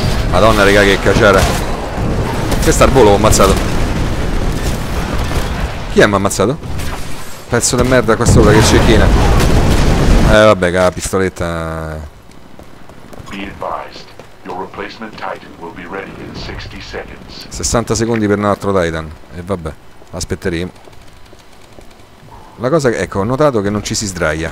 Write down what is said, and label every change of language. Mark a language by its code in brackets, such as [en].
[it] Madonna, raga, che cacciara. Questo al volo l'ho ammazzato. Chi è mi ha ammazzato? Pezzo di merda qua sopra che cecchina. Vabbè, che la pistoletta. [en] Be advised, your replacement Titan will be ready in 60 seconds. [it] 60 secondi per un altro Titan. E vabbè, aspetteremo. La cosa che... Ecco, ho notato che non ci si sdraia.